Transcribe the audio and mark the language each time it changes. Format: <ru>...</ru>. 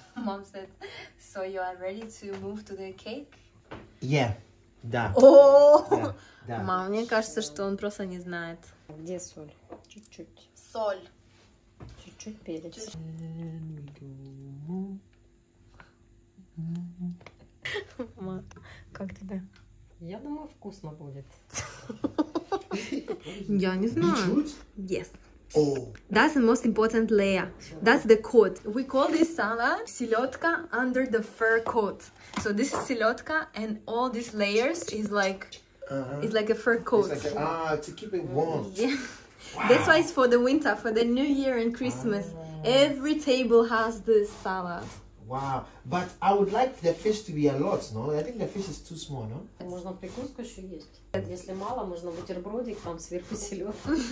<en>Mom said, so you are ready to move to the cake? Yeah, да. Oh!</en> <ru>Да, да. Мам, мне кажется, что он просто не знает. Где соль? Чуть-чуть. Соль. Чуть-чуть перец. Мам, как тебе? Я думаю, вкусно будет. Я не знаю.</ru> <en>Yes. Oh. That's the most important layer. That's the coat. We call this salad selyodka under the fur coat. So this is selyodka and all these layers is like, uh-huh. It's like a fur coat. It's like to keep it warm. Yeah. Wow. That's why it's for the winter, for the new year and Christmas. Every table has this salad. Wow, but I would like the fish to be a lot, no? I think the fish is too small, no?</en> <ru>Можно прикуску еще есть. Если мало, можно бутербродик там сверху селедку.</ru>